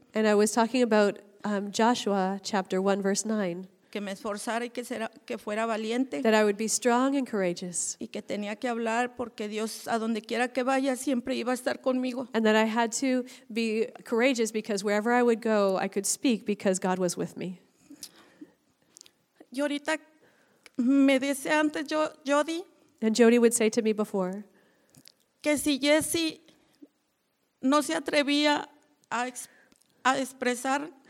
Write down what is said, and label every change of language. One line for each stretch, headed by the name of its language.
English: And I was talking about Joshua chapter 1, verse 9.
Spanish: Que me esforzara y que fuera valiente.
English: That I would be strong and courageous.
Spanish: Y que tenía que hablar porque Dios, a donde quiera que vaya, siempre iba a estar conmigo.
English: And that I had to be courageous because wherever I would go, I could speak because God was with me.
Spanish: Y ahorita me dice antes Jody.
English: And Jody would say to me before,
Spanish: que si Jesse no se atrevía a expresar,